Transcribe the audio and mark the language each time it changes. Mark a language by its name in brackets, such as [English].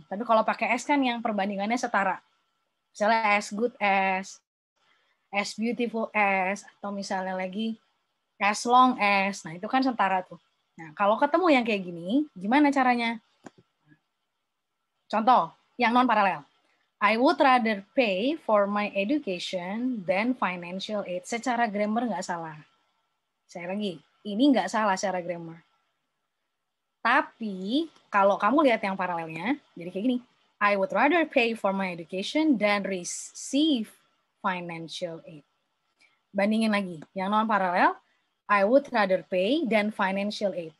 [Indonesian] Tapi kalau pakai as kan yang perbandingannya setara. Misalnya as good as beautiful as, atau misalnya lagi as long as. Nah, itu kan setara tuh. Nah, kalau ketemu yang kayak gini, gimana caranya? Contoh, yang non-paralel. [English] I would rather pay for my education than financial aid. [Indonesian] Secara grammar nggak salah. Saya lagi, ini nggak salah secara grammar. Tapi, kalau kamu lihat yang paralelnya, jadi kayak gini. [English] I would rather pay for my education than receive financial aid. [Indonesian] Bandingin lagi, yang non-paralel, [English] I would rather pay than financial aid.